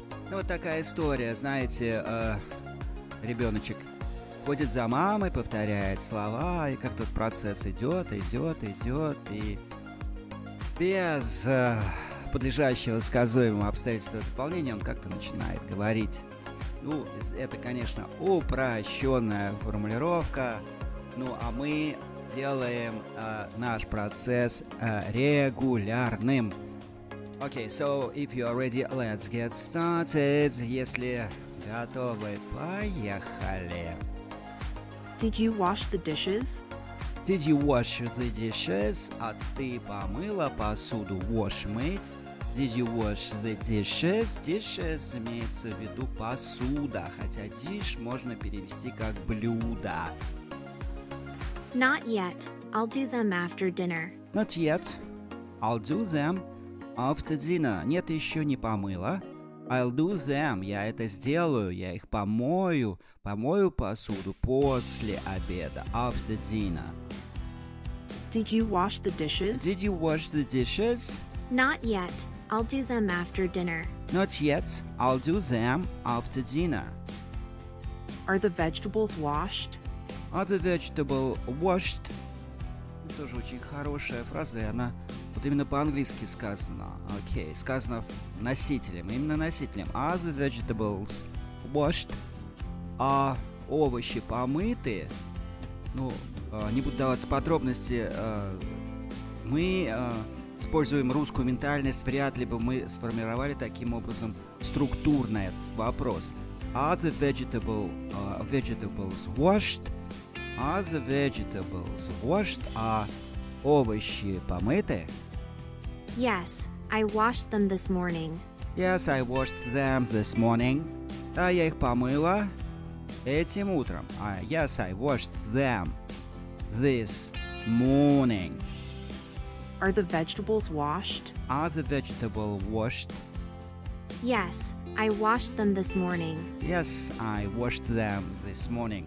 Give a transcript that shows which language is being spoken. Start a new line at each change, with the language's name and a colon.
Russian: Ну, вот такая история, знаете, ребеночек ходит за мамой, повторяет слова, и как тут процесс идет, и без подлежащего сказуемого обстоятельства дополнения он как-то начинает говорить. Ну, это, конечно, упрощенная формулировка. Ну, а мы делаем наш процесс регулярным.
English: Okay, so if you are ready, let's get started.
Russian: Если готовы, поехали.
English: Did you wash the dishes? Did you wash the dishes?
Russian: А ты помыла посуду?
English: Wash, мыть. Did you wash the dishes?
Russian: Dishes имеется в виду посуда, хотя dish можно перевести как блюдо.
English: Not yet. I'll do them after dinner. Not yet. I'll do them after dinner.
Russian: Нет, еще не помыла.
English: I'll do them.
Russian: Я это сделаю. Я их помою. Помою посуду после обеда.
English: After dinner. Did you wash the dishes? Did you wash the dishes? Not yet. I'll do them after dinner. Not yet. I'll do them after dinner. Are the vegetables washed? Are the vegetables washed?
Russian: Это тоже очень хорошая фраза, она вот именно по-английски сказана. Окей, сказано носителем, именно носителем.
English: Are the vegetables washed?
Russian: А овощи помыты? Ну, не буду даваться подробности. Мы используем русскую ментальность, вряд ли бы мы сформировали таким образом структурный вопрос.
English: Are the vegetables washed? Are the vegetables washed?
Russian: А овощи помыты?
English: Yes, I washed them this morning. Yes, I washed them this morning.
Russian: Да, я их помыла этим утром.
English: Yes, I washed them this morning. Are the vegetables washed? Are the vegetables washed? Yes, I washed them this morning. Yes, I washed them this morning.